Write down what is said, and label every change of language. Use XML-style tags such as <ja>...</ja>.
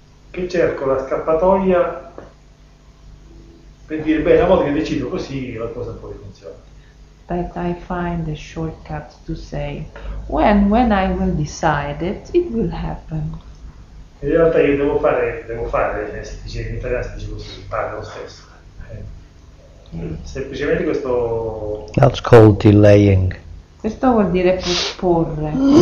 <it>Che cerco la scappatoia per dire, beh, una volta che decido così, la cosa poi funziona.</it> <en>But I find a shortcut to say, when I will decide it, it will happen.</en> <it>In realtà io devo fare, si dice in italiano, si dice così, parlo lo stesso. Semplicemente questo...</it> <en>That's called delaying.</en> <it>Questo vuol dire posporre.</it>